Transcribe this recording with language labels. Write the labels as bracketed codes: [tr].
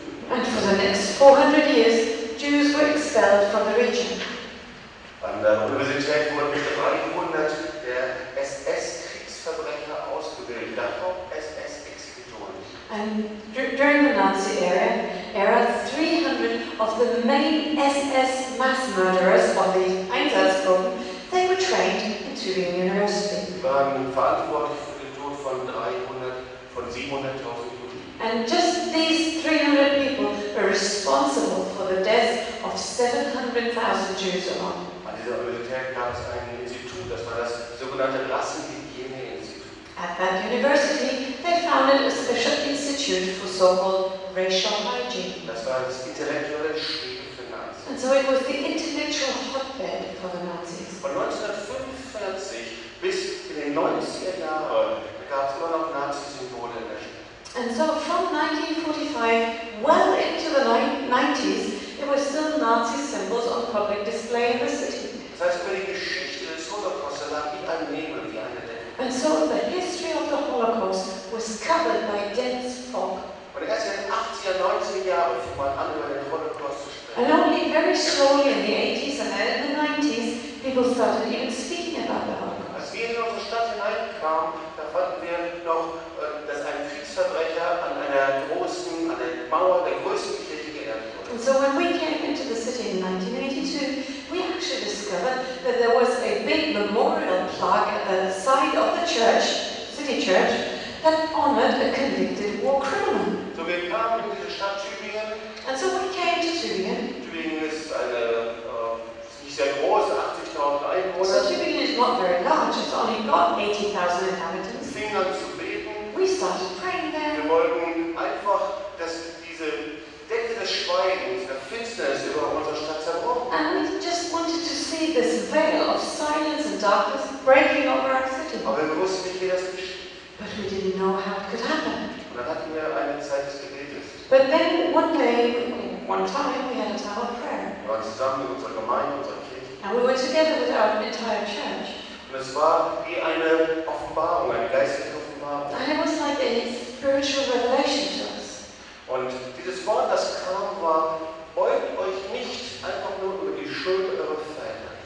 [en] And for the next 400 years, Jews were expelled from the region. [de] An der Universität wurden 300 der SS-Kriegsverbrecher ausgebildet, davon SS-Exekutoren. [en] And during the Nazi era, 300 of the main SS mass murderers of the Einsatzgruppen, they were trained in Tübingen University. [de] Waren verantwortlich für den Tod von 300, von 700,000 Juden. [en] And just these 300 people were responsible for the death of 700,000 Jews alone. [de] An dieser Universität gab es ein Institut, das war das sogenannte Rassenhygiene-Institut. [en] At that university, they founded a special institute for so-called racial hygiene. [de] Das war das intellektuelle Schrieben für Nazis. [en] And so it was the intellectual hotbed for the Nazis. [de] Von 1945 bis in den 90er Jahren gab es immer noch Nazi-Symbole in der Stadt. [en] And so from 1945, well into the 90s, there were still Nazi symbols on public display. diversity. [de] Das heißt, wenn die Geschichte des Holocaust erlangt, wie ein Nebel, wie eine Decke. [en] And so the history of the Holocaust was covered by dense fog. [de] Und erst in den 80er, 90er Jahren fing man an, über den Holocaust zu sprechen. [en] And only very slowly in the 80s and then in the 90s, people started even speaking about the Holocaust. [de] Als wir in unsere Stadt hineinkamen, da fanden wir noch, dass ein Kriegsverbrecher an einer großen, an der Mauer der größten Kirche geehrt wurde. [en] And so when we came into the city in 1982, we actually discovered that there was a big memorial plaque at the side of the church, city church, that honored a convicted war criminal. [de] So wir kamen in diese Stadt Tübingen. [en] And so we came to Tübingen. [de] Tübingen ist eine nicht sehr groß, 80.000 Einwohner. [en] So Tübingen is not very large, it's only got 80.000 inhabitants. [de] Wir fingen an zu beten. [en] We started praying there. [de] Wir wollten einfach, dass diese Decke des Schweigens, der Finsternis über unserer Stadt zerbrochen. [en] And we just wanted to see this veil of silence and darkness breaking over our city. [de] Aber wir wussten nicht, wie das geschieht. [en] But we didn't know how it could happen. [de] Und dann hatten wir eine Zeit des Gebetes. [en] But then one day, one time, we had a time of prayer. [de] Wir waren zusammen mit unserer Gemeinde, unserer Kirche. [en] And we were together with our entire church. [de] Und es war wie eine Offenbarung, eine geistliche Offenbarung. [en] And it was like a spiritual revelation to us. [de] Und dieses Wort, das kam, war: Beugt euch nicht einfach nur über die Schuld eurer Väter.